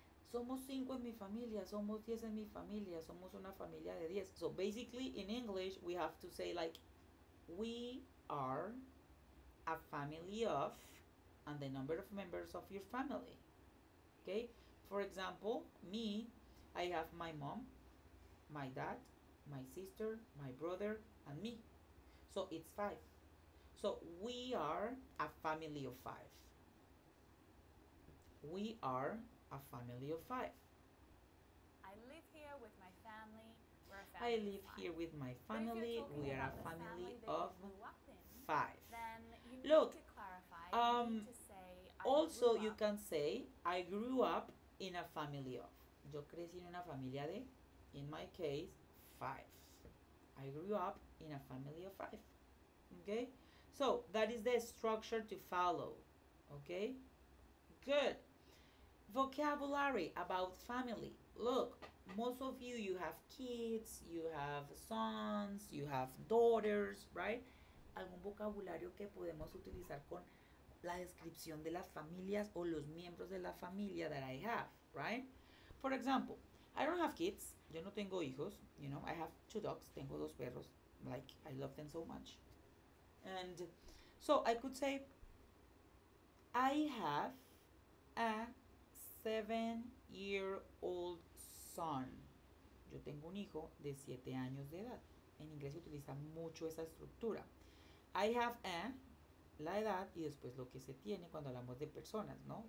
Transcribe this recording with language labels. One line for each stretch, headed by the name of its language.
Spanish: Somos cinco en mi familia, somos diez en mi familia, somos una familia de diez.
English: So basically, in English, we have to say like, we are a family of, and the number of members of your family. Okay? For example, me, I have my mom, my dad, my sister, my brother, and me. So it's five. So we are a family of five. We are a family of five. I live here with my family. I live here with my family. We are a family of five. Then you need look, to clarify, you need to say, also grew up. You can say, I grew up in a family of.
Spanish: Yo crecí en una familia de,
English: in my case, five. I grew up in a family of five. Okay? So, that is the structure to follow. Okay? Good. Vocabulary about family. Look. Most of you, you have kids, you have sons, you have daughters, right?
Spanish: ¿Algún vocabulario que podemos utilizar con la descripción de las familias o los miembros de la familia
English: that I have,
Spanish: right?
English: For example, I don't have kids.
Spanish: Yo no tengo hijos,
English: you know. I have two dogs.
Spanish: Tengo dos perros.
English: Like, I love them so much. And so I could say, I have a 7-year-old son.
Spanish: Yo tengo un hijo de 7 años de edad. En inglés se utiliza mucho esa estructura.
English: I have a,
Spanish: la edad, y después lo que se tiene cuando hablamos de personas, ¿no?